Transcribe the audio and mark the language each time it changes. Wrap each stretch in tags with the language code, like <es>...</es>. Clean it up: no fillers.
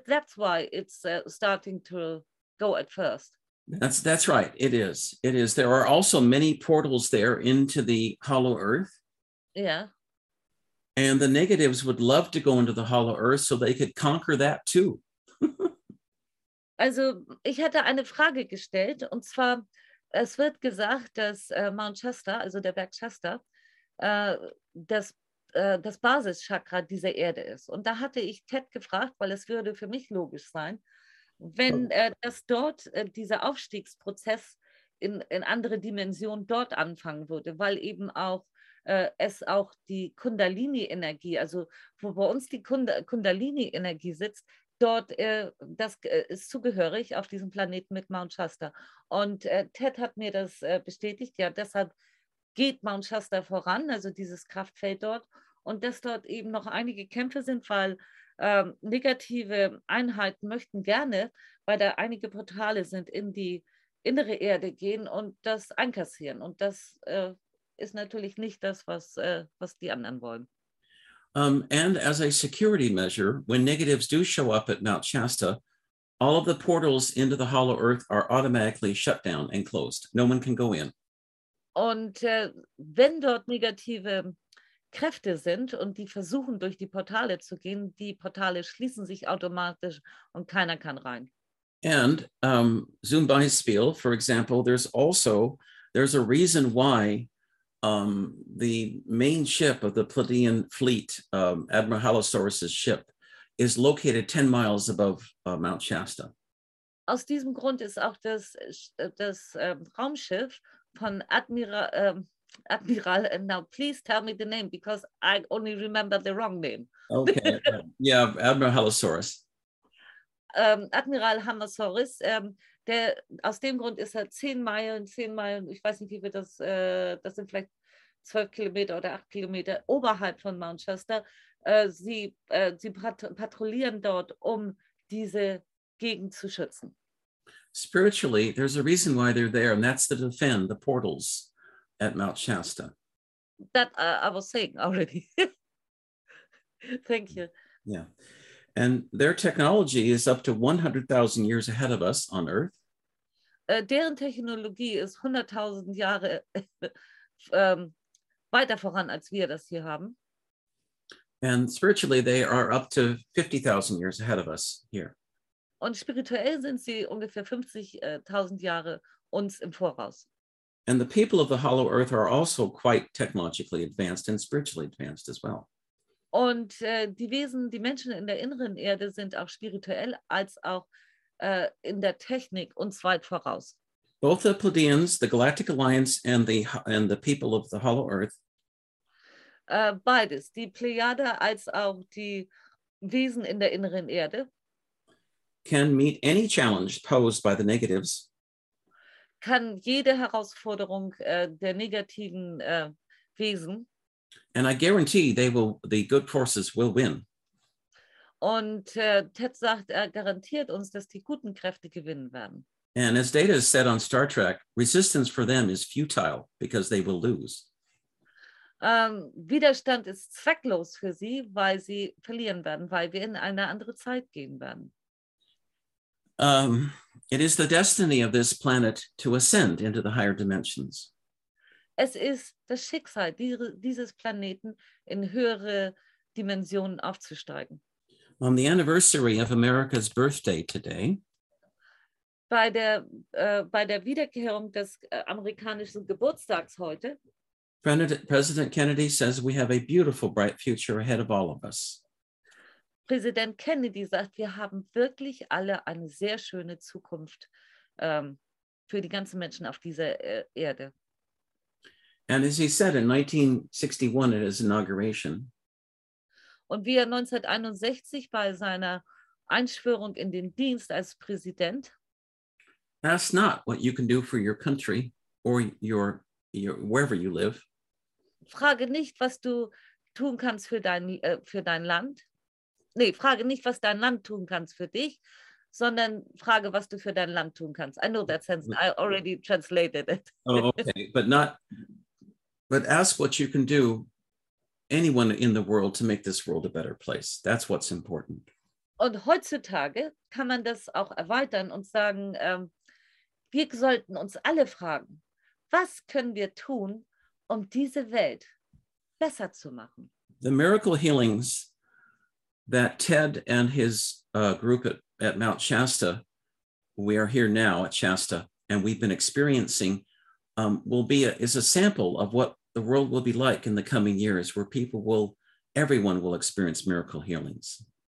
<en>That's why it's starting to go at first? That's right. It is. There are also many portals there into the hollow earth. Yeah. And the negatives would love to go into the hollow earth so they could conquer that too.</en> <de>Also, ich hatte eine Frage gestellt, und zwar, es wird gesagt, dass Mount Shasta, also der Berg Shasta, das Basischakra dieser Erde ist. Und da hatte ich Ted gefragt, weil es würde für mich logisch sein, wenn dass dort dieser Aufstiegsprozess in andere Dimensionen dort anfangen würde, weil eben auch es auch die Kundalini-Energie, also wo bei uns die Kundalini-Energie sitzt, dort, das ist zugehörig auf diesem Planeten mit Mount Shasta. Und Ted hat mir das bestätigt, ja, deshalb geht Mount Shasta voran, also dieses Kraftfeld dort. Und dass dort eben noch einige Kämpfe sind, weil negative Einheiten möchten gerne, weil da einige Portale sind, in die innere Erde gehen und das einkassieren. Und das ist natürlich nicht das, was die anderen wollen.</de> <en>And as a security measure, when negatives do show up at Mount Shasta, all of the portals into the hollow earth are automatically shut down and closed. No one can go in.</en> <de>Und wenn dort negative Kräfte sind und die versuchen, durch die Portale zu gehen, die Portale schließen sich automatisch und keiner kann rein.</de> <en>And</en> <de>zum Beispiel,</de> <en>for example, there's a reason why the main ship of the Pleiadian fleet, Admiral Halosaurus's ship, is located 10 miles above Mount Shasta.</en> <de>Aus diesem Grund ist auch das Raumschiff von Admiral,</de> <en>now please tell me the name, because I only remember the wrong name. Okay, yeah, Admiral Halosaurus.</en> <de>Admiral Halosaurus, der aus dem Grund ist er 10 Meilen, ich weiß nicht, wie wir das, das sind vielleicht 12 Kilometer oder 8 Kilometer oberhalb von Mount Shasta. Sie patrouillieren dort, um diese Gegend zu schützen.</de> <en>Spiritually, there's a reason why they're there, and that's to defend the portals at Mount Shasta. That I was saying already. Thank you. Yeah. And their technology is up to 100,000 years ahead of us on Earth.</en> <de>Deren Technologie ist 100.000 Jahre weiter voran, als wir das hier haben.</de> <en>And spiritually, they are up to 50,000 years ahead of us here.</en> <de>Und spirituell sind sie ungefähr 50.000 Jahre uns im Voraus.</de> <en>And the people of the Hollow Earth are also quite technologically advanced and spiritually advanced as well.</en> <de>Und die Wesen, die Menschen in der inneren Erde sind auch spirituell als auch in der Technik uns weit voraus.</de> <en>Both the Pleiadians, the Galactic Alliance, and the people of the Hollow Earth.</en> <de>Beides, die Plejade als auch die Wesen in der inneren Erde.</de> <en>Can meet any challenge posed by the negatives.</en> <de>Kann jede Herausforderung der negativen Wesen.</de> <en>And I guarantee the good forces will win.</en> <de>Und Ted sagt, er garantiert uns, dass die guten Kräfte gewinnen werden.</de> <en>And as Data has said on Star Trek, resistance for them is futile because they will lose.</en> <de>Widerstand ist zwecklos für sie, weil sie verlieren werden, weil wir in eine andere Zeit gehen werden.</de> <en>It is the destiny of this planet to ascend into the higher dimensions.</en> <de>Es ist das Schicksal dieses Planeten, in höhere Dimensionen aufzusteigen.</de> <en>On the anniversary of America's birthday today,</en> <de>Bei der Wiederkehrung des amerikanischen Geburtstags heute.</de> <en>President Kennedy says we have a beautiful, bright future ahead of all of us.</en> <de>Präsident Kennedy sagt, wir haben wirklich alle eine sehr schöne Zukunft für die ganzen Menschen auf dieser Erde.</de> <en>And as he said in 1961 at his inauguration.</en> <de>Und wie er 1961 bei seiner Einschwörung in den Dienst als Präsident.</de> <en>That's not what you can do for your country or your wherever you live.</en> <de>Frage nicht, was du tun kannst für dein Land. Nee, frage nicht, was dein Land tun kannst für dich, sondern frage, was du für dein Land tun kannst.</de> <en>I know that sense. I already translated it. Oh, okay. But ask what you can do, anyone in the world, to make this world a better place. That's what's important.</en> <de>Und heutzutage kann man das auch erweitern und sagen, wir sollten uns alle fragen, was können wir tun, um diese Welt besser zu machen?</de> <en>The miracle healings that Ted and his group at Mount Shasta, we are here now at Shasta, and we've been experiencing, is a sample of what the world will be like in the coming years, where everyone will experience miracle healings.</en>